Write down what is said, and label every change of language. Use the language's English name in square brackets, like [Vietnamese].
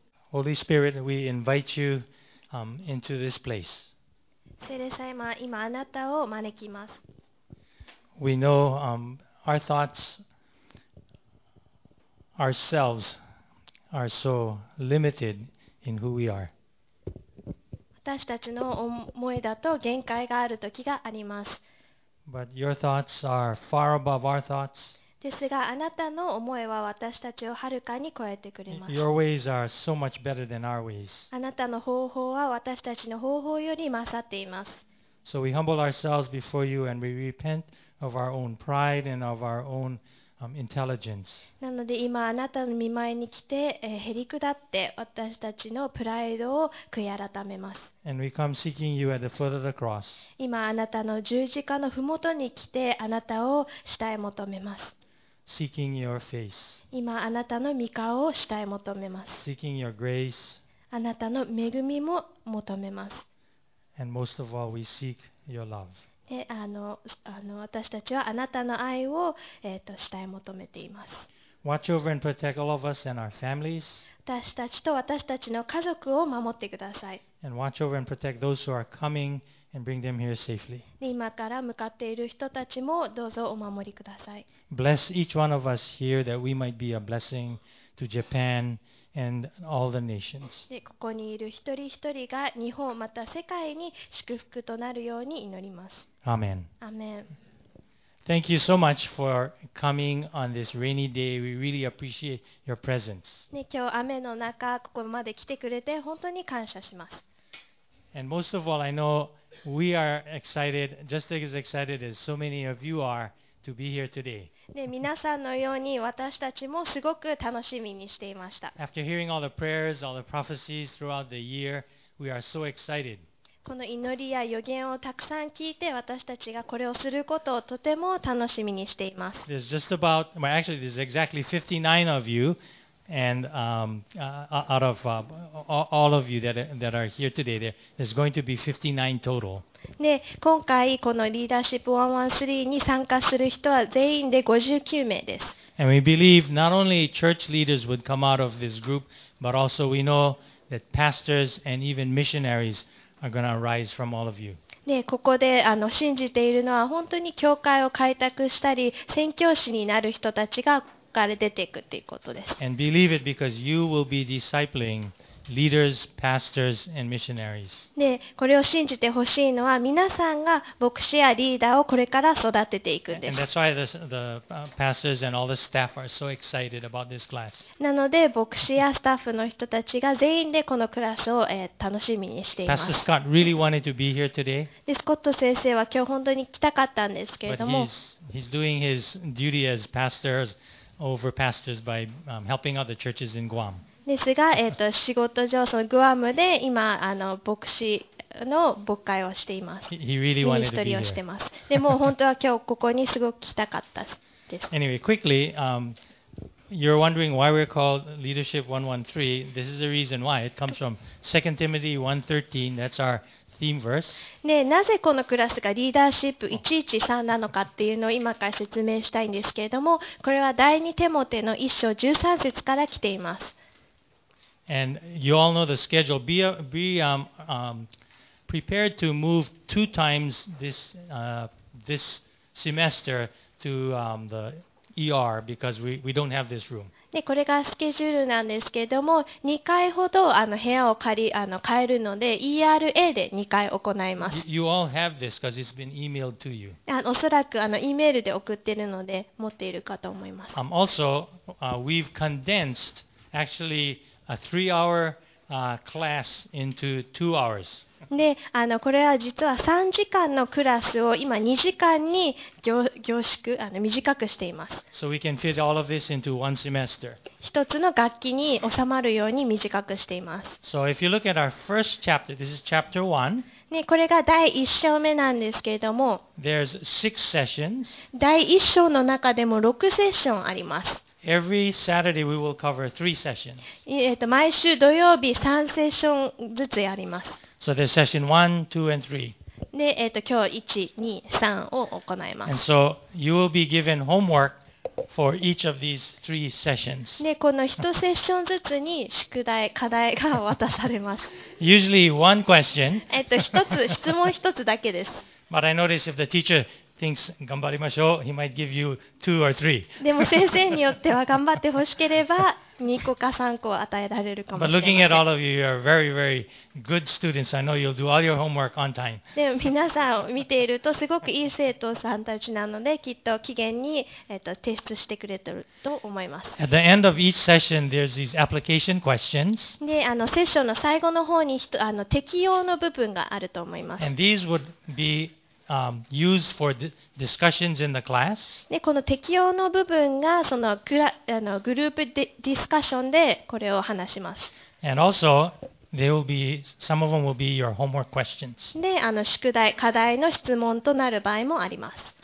[English] Holy Spirit, we invite you into this place. [Japanese] 聖霊様、今あなたを招きます。 [English] We know our thoughts ourselves are so limited in who we are. [Japanese] 私たちの思いだと限界がある時があります。 [English] But your thoughts are far above our thoughts. [Japanese] ですがあなたの思いは私たちをはるかに超えてくれます。 [English] Your ways are so much better than our ways. [Japanese] あなたの方法は私たちの方法より勝っています。 [English] So we humble ourselves before you and we repent of our own pride and of our own intelligence. [Japanese] なので今あなたの御前に来て、へりくだって私たちのプライドを悔い改めます。 [English] And we come seeking you at the foot of the cross. [Japanese] 今あなたの十字架のふもとに来てあなたを慕い求めます。 [English] Seeking your face. [Japanese] 今あなたの御顔をしたい求めます。 [English] Seeking your grace. [Japanese] あなたの恵みも求めます。 [English] And most of all, we seek your love. [Japanese] で、私たちはあなたの愛を、したい求めています。 [English] Watch over and protect all of us and our families. [Japanese] 私たちと私たちの家族を守ってください。 [English] And watch over and protect those who are coming and bring them here safely. [Japanese] 今から向かっている人たちもどうぞお守りください。 [English] Bless each one of us here that we might be a blessing to Japan and all the nations. [Japanese] ここにいる一人一人が日本また世界に祝福となるように祈ります。 [English] Amen. Amen. Thank you so much for coming on this rainy day. We really appreciate your presence. [Japanese] ね、今日雨の中ここまで来てくれて本当に感謝します。 [English] And most of all, I know we are excited, just as excited as so many of you are to be here today. [Japanese] ね、皆さんのように私たちもすごく楽しみにしていました。 [English] After hearing all the prayers, all the prophecies throughout the year, we are so excited. [Japanese] この祈りや予言をたくさん聞いて私たちがこれをすることをとても楽しみにしています。 [English] There's just about, well actually there's exactly 59 of you and out of all of you that are here today there's going to be 59 total. [Japanese] ね、今回このリーダーシップ113に参加する人は全員で59名です。 [English] And we believe not only church leaders would come out of this group but also we know that pastors and even missionariesare going to arise from all of you. [Japanese] ね、ここで信じているのは本当に教会を開拓したり宣教師になる人たちがここから出ていくということです。 [English] And believe it because you will be discipling leaders, pastors, and missionaries. [Japanese] ね、これを信じてほしいのは皆さんが牧師やリーダーをこれから育てていくんです。 [English] And that's why the pastors and all the staff are so excited about this class. [Japanese] なので牧師やスタッフの人たちが全員でこのクラスを楽しみにしています。 [English] Pastor Scott really wanted to be here today. [Japanese] で、スコット先生は今日本当に来たかったんですけれども。 [English] But he's doing his duty as pastors over pastors by helping out the churches in Guam. [Japanese] ですが、仕事上そのグアムで今牧師の牧会をしています。 [English] He really wanted to be here. [Japanese] ミニストリーをしてます。でも本当は今日ここにすごく来たかったです。 [English] Anyway, quickly, you're wondering why we're called Leadership 113. This is the reason why. It comes from 2 Timothy 1:13. That's our theme verse. [Japanese] ね、なぜこのクラスがリーダーシップ113なのかっていうのを今から説明したいんですけれども、これは第2テモテの1章13節から来ています。 [English] And you all know the schedule. Be prepared to move two times this semester to the ER because we don't have this room. [Japanese] で、これがスケジュールなんですけれども、2回ほど部屋を借り変えるので、ERA で2回行います。 [English] You all have this because it's been emailed to you. [Japanese] おそらく E メールで送ってるので持っているかと思います。 [English] Also, we've condensed actually. A three-hour class into 2 hours. [Japanese] で、これは実は3時間のクラスを今2時間に凝縮、短くしています。 [English] So we can fit all of this into one semester. [Japanese] 一つの学期に収まるように短くしています。 [English] So if you look at our first chapter, this is chapter one. [Japanese] ね、これが第1章目なんですけれども、 [English] There's six sessions. [Japanese] 第1章の中でも6セッションあります。 [English] Every Saturday we will cover three sessions. [Japanese] 毎週土曜日3セッションずつやります。 [English] So there's session 1, 2, and 3. [Japanese] で、今日1、2、3を行います。 [English] And so you will be given homework for each of these three sessions. [Japanese] ね、この一セッションずつに宿題、課題が渡されます。 [English] Usually one question. [Japanese] 一つ、質問一つだけです。 [English] But I notice if the teacher thinks [Japanese] 頑張りましょう、 [English] he might give you two or three. [Japanese] でも先生によっては頑張ってほしければ、2個か3個与えられるかもしれません。 [English] But looking at all of you, you are very, very good students. I know you'll do all your homework on time. [Japanese] でも皆さんを見ているとすごくいい生徒さんたちなので、きっと期限に提出してくれてると思います。 [English] At the end of each session, there's these application questions. [Japanese] で、セッションの最後の方に適用の部分があると思います。 [English] And these would be used for discussions in the class. [Japanese] で、この適用の部分がそのグループディスカッションでこれを話します。 [English] And also, they will be, some of them will be your homework questions. [Japanese] で、宿題、課題の質問となる場合もあります。